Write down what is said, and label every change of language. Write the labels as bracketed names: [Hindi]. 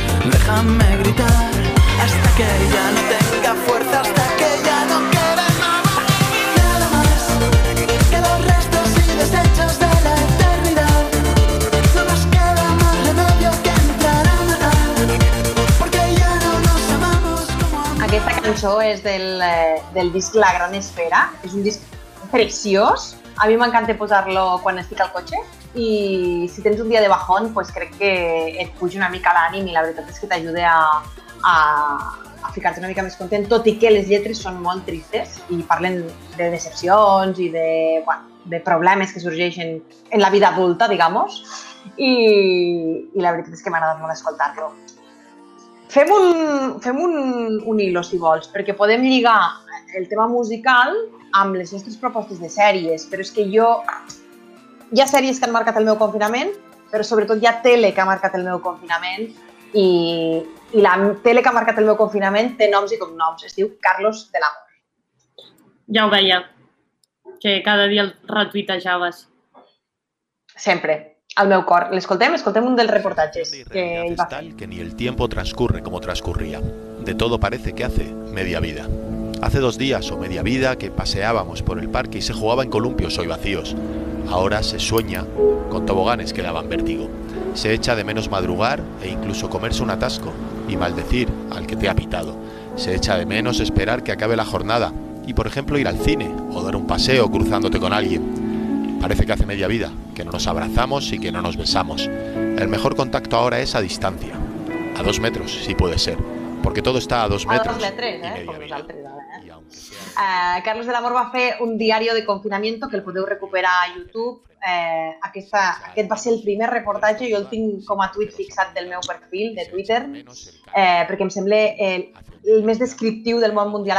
[Spanish] Déjame gritar hasta que ya no tenga fuerza, hasta que ya no quede nada, nada más que los restos y desechos de la eternidad. No nos queda más remedio que entrar a matar, porque ya no nos amamos como amamos. [Catalan] Aquesta cançó és del disc La Gran Esfera, és un disc preciós. A mi m'encanta posar-lo quan estic al cotxe i si tens un dia de bajón, pues crec que et puja una mica l'ànim i la veritat és que t'ajuda a ficar-te una mica més content, tot i que les lletres són molt tristes i parlen de decepcions i de, bueno, de problemes que sorgeixen en la vida adulta, digamos, i la veritat és que m'ha agradat molt escoltar-lo. Fem un hilo, si vols, perquè podem lligar el tema musical amb les nostres propostes de sèries, però és que jo... Hi ha sèries que han marcat el meu confinament, però sobretot hi ha tele que ha marcat el meu confinament i la tele que ha marcat el meu confinament té noms i cognoms. Es diu Carlos de l'Amor. Ja ho veia, que cada dia el retuitejaves. Sempre. Al meu cor. L'escoltem un dels reportatges que ell va fer. [Spanish] Tal que ni el tiempo transcurre como transcurría. De todo parece que hace media vida. Hace dos días o media vida que paseábamos por el parque y se jugaba en columpios hoy vacíos. Ahora se sueña con toboganes que daban vértigo. Se echa de menos madrugar e incluso comerse un atasco y maldecir al que te ha pitado. Se echa de menos esperar que acabe la jornada y, por ejemplo, ir al cine o dar un paseo cruzándote con alguien. Parece que hace media vida, que no nos abrazamos y que no nos besamos. El mejor contacto ahora es a distancia, a dos metros, si puede ser. [Catalan] Perquè tot està a dos metres. A dos metres, com nosaltres, ara. Carlos de l'Amor va fer un diari de confinamiento que el podeu recuperar a YouTube. Aquest va ser el primer reportatge, jo el tinc com a tuit fixat del meu perfil de Twitter, perquè em sembla el més descriptiu del món mundial.